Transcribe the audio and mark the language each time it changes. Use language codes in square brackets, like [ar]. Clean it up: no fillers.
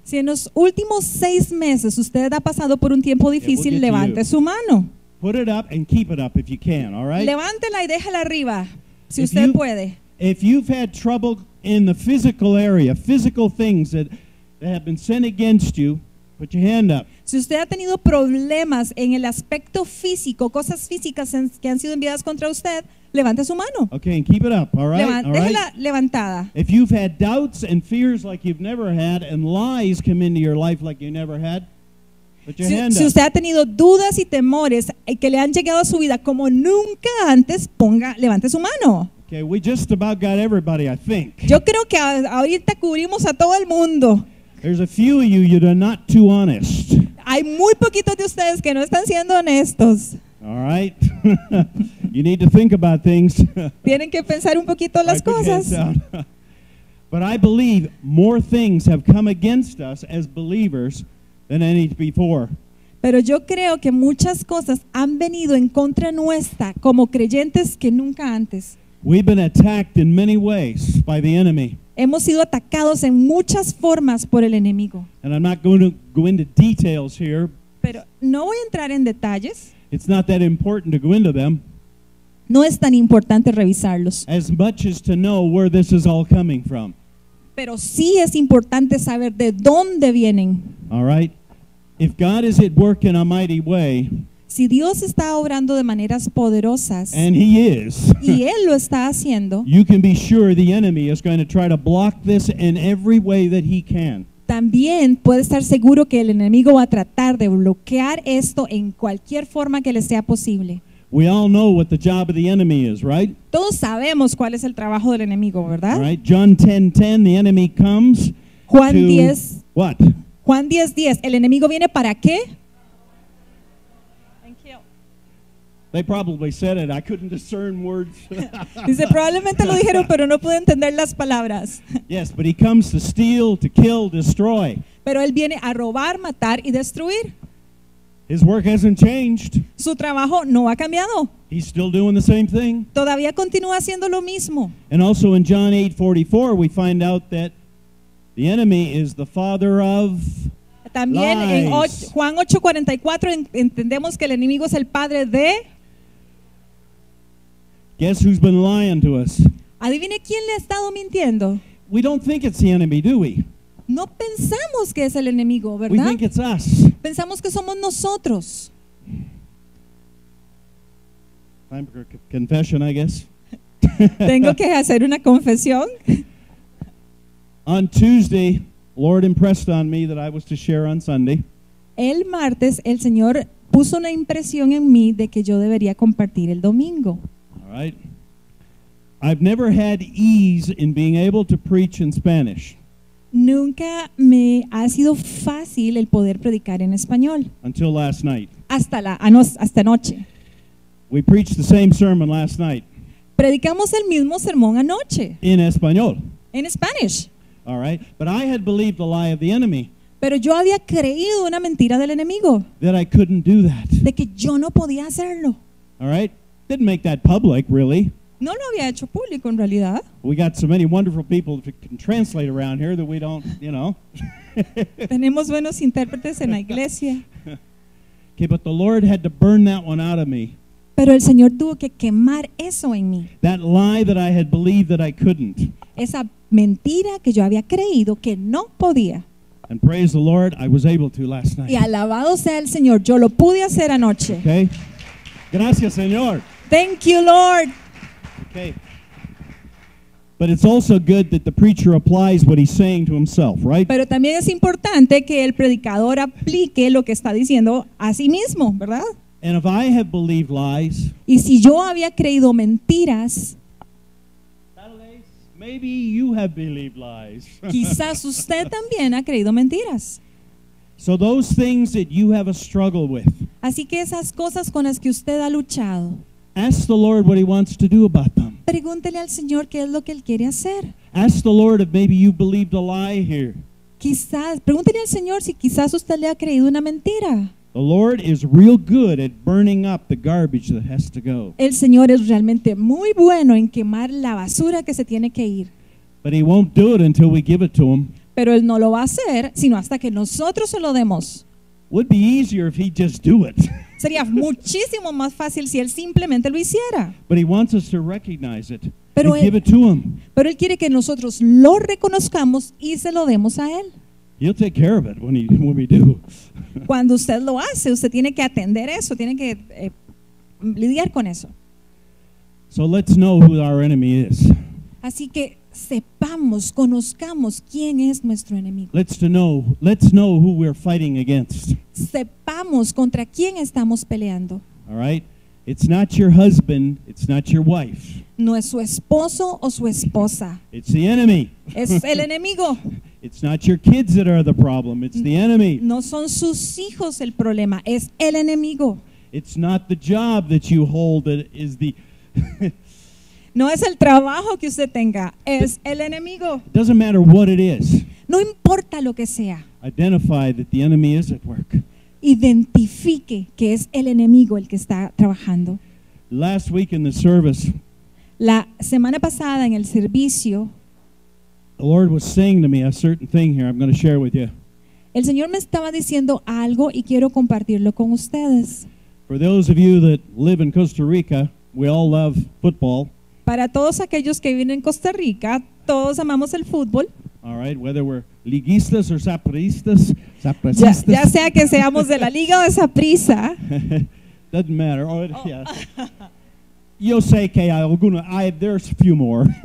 [es] Si en los últimos 6 meses usted ha pasado por un tiempo difícil, levante su mano. [en] Put it up and keep it up if you can, all right? [es] Levántela y déjala arriba, si usted puede. [en] If you've had trouble in the physical area, physical things that have been sent against you, put your hand up. [es] Si usted ha tenido problemas en el aspecto físico, cosas físicas que han sido enviadas contra usted, levante su mano. [en] Okay, and keep it up, all right? [es] Déjela levantada. [en] If you've had doubts and fears like you've never had and lies come into your life like you never had, put your hand up. [es] Si usted ha tenido dudas y temores que le han llegado a su vida como nunca antes, levante su mano. [en] Okay, we just about got everybody, I think. [es] Yo creo que ahorita cubrimos a todo el mundo. [en] There's a few of you that are not too honest. [es] Hay muy poquitos de ustedes que no están siendo honestos. [en] All right. You need to think about things. [es] Tienen que pensar un poquito las cosas. [en] But I believe more things have come against us as believers than any before. [es] Pero yo creo que muchas cosas han venido en contra nuestra como creyentes que nunca antes. [en] We've been attacked in many ways by the enemy. [es] Hemos sido atacados en muchas formas por el enemigo. [en] And I'm not going to go into details here. [es] Pero no voy a entrar en detalles. [en] It's not that important to go into them. [es] No es tan importante revisarlos. [en] As much as to know where this is all coming from. [es] Pero sí es importante saber de dónde vienen. [en] All right. If God is at work in a mighty way. [es] Si Dios está obrando de maneras poderosas. [en] And he is. [es] Y él lo está haciendo. [en] You can be sure the enemy is going to try to block this in every way that he can. [es] También puede estar seguro que el enemigo va a tratar de bloquear esto en cualquier forma que le sea posible. [en] We all know what the job of the enemy is, right? [es] Todos sabemos cuál es el trabajo del enemigo, ¿verdad? [en] Right. John 10:10, the enemy comes. [es] Juan 10:10, el enemigo viene para qué? [en] And kill. They probably said it. I couldn't discern words. [es] Dice, probablemente lo dijeron, pero no pude entender las palabras. [en] Yes, but he comes to steal, to kill, destroy. [es] Pero él viene a robar, matar y destruir. [en] His work hasn't changed. [es] Su trabajo no ha cambiado. [en] He's still doing the same thing. [es] Todavía continúa haciendo lo mismo. [en] And also in John 8:44, we find out that the enemy is the father of [es] También [en] lies. [es] En Juan 8:44 entendemos que el enemigo es el padre de. [en] Guess who's been lying to us? [es] Adivine quién le ha estado mintiendo. [en] We don't think it's the enemy, do we? [es] No pensamos que es el enemigo, ¿verdad? [en] We think it's us. [es] Pensamos que somos nosotros. [en] Time for confession, I guess. [es] Tengo que hacer una confesión. [en] On Tuesday, Lord impressed on me that I was to share on Sunday. [es] El martes, el Señor puso una impresión en mí de que yo debería compartir el domingo. [en] All right. I've never had ease in being able to preach in Spanish. [es] Nunca me ha sido fácil el poder predicar en español. [en] Until last night. [es] Hasta anoche. [en] We preached the same sermon last night. [es] Predicamos el mismo sermón anoche. En español. [en] En Spanish. All right, but I had believed the lie of the enemy. [es] Pero yo había creído una mentira del enemigo. [en] That I couldn't do that. [es] De que yo no podía hacerlo. [en] All right, didn't make that public, really. [es] No lo había hecho público en realidad. [en] We got so many wonderful people that can translate around here that we don't, you know. [es] Tenemos buenos intérpretes en la iglesia. [en] Okay, but the Lord had to burn that one out of me. [es] Pero el Señor tuvo que quemar eso en mí. [en] That lie that I had believed that I couldn't. [es] Esa mentira que yo había creído que no podía. [en] And praise the Lord, I was able to last night. [es] Y alabado sea el Señor, yo lo pude hacer anoche. Okay. Gracias, Señor. [en] Thank you, Lord. Okay. But it's also good that the preacher applies what he's saying to himself, right? [es] Pero también es importante que el predicador aplique lo que está diciendo a sí mismo, ¿verdad? [en] And if I have believed lies, [es] y si yo había creído mentiras, [en] maybe you have believed lies. [es] Quizás usted también ha creído mentiras. [en] So those things that you have a struggle with. [es] Así que esas cosas con las que usted ha luchado. [en] Ask the Lord what he wants to do about them. [es] Pregúntele al Señor qué es lo que él quiere hacer. [en] Ask the Lord if maybe you believed a lie here. [es] Quizás pregúntele al Señor si quizás usted le ha creído una mentira. [en] The Lord is real good at burning up the garbage that has to go. [es] El Señor es realmente muy bueno en quemar la basura que se tiene que ir. [en] But he won't do it until we give it to him. [es] Pero él no lo va a hacer sino hasta que nosotros se lo demos. [en] Would be easier if he just do it. [es] Sería muchísimo más fácil si él simplemente lo hiciera. [en] But he wants us to recognize it and give it to him. [es] Pero él quiere que nosotros lo reconozcamos y se lo demos a él. [en] He'll take care of it when we do. [es] Cuando usted lo hace, usted tiene que atender eso, tiene que lidiar con eso. [en] So let's know who our enemy is. [es] Así que sepamos, conozcamos quién es nuestro enemigo. [en] Let's know who we're fighting against. [es] Sepamos contra quién estamos peleando. [en] All right? It's not your husband, it's not your wife. [es] No es su esposo o su esposa. [en] It's the enemy. [es] Es el enemigo. [en] It's not your kids that are the problem, it's the enemy. [es] No son sus hijos el problema, es el enemigo. [en] It's not the job that you hold that is the [es] No es el trabajo que usted tenga, es el enemigo. [en] Doesn't matter what it is. [es] No importa lo que sea. [en] Identify that the enemy is at work. [es] Identifique que es el enemigo el que está trabajando. [en] Last week in the service. [es] La semana pasada en el servicio. [en] The Lord was saying to me a certain thing here I'm going to share with you. [es] El Señor me estaba diciendo algo y quiero compartirlo con ustedes. [en] For those of you that live in Costa Rica, we all love football. [es] Para todos aquellos que viven en Costa Rica, todos amamos el fútbol. [en] All right, whether we're liguistas or zapristas, zapristas. [es] Ya sea que seamos de la liga o de zaprisa. [en] Doesn't matter. Oh, oh. Yeah. [es] Yo sé que hay algunos, [en] there's a few more.